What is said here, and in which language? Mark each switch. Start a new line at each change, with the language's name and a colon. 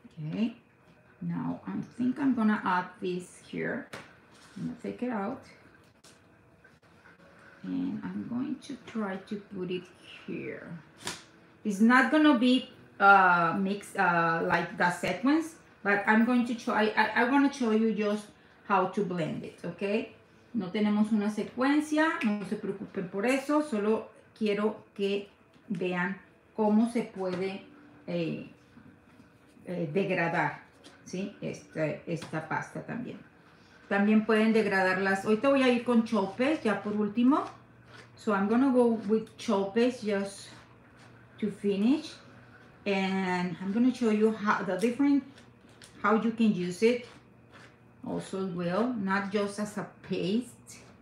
English: Ok, now I think I'm gonna add this here. I'm gonna take it out. And I'm going to try to put it here. It's not gonna be like the sequence, but I'm going to try, I want to show you just how to blend it, okay?
Spanish: No tenemos una secuencia, no se preocupen por eso, solo quiero que vean cómo se puede degradar, ¿sí? Esta pasta también. También pueden degradarlas. Ahorita voy a ir con chopes, ya por último.
English: So I'm gonna go with chopes just to finish. And I'm gonna show you how the different, how you can use it also as well, not just as a paste.